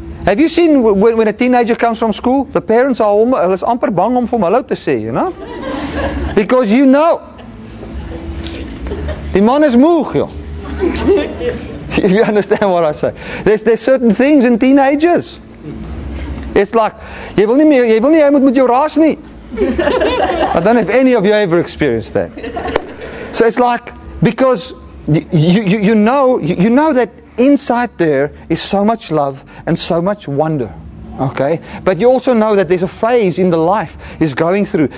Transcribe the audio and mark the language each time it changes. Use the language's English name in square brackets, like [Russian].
[English] Have you seen when a teenager comes from school, the parents are almost [Afrikaans] amper bang om vir hulle te sê, [English] you know? Because you know. [Afrikaans] Die man is moeg, joh. [English] If you understand what I say. There's certain things in teenagers. It's like, [Afrikaans] jy wil nie hy moet jou raas nie. [English] I don't know if any of you ever experienced that. So it's like, because you know that inside there is so much love and so much wonder. Okay? But you also know that there's a phase in the life he's going through.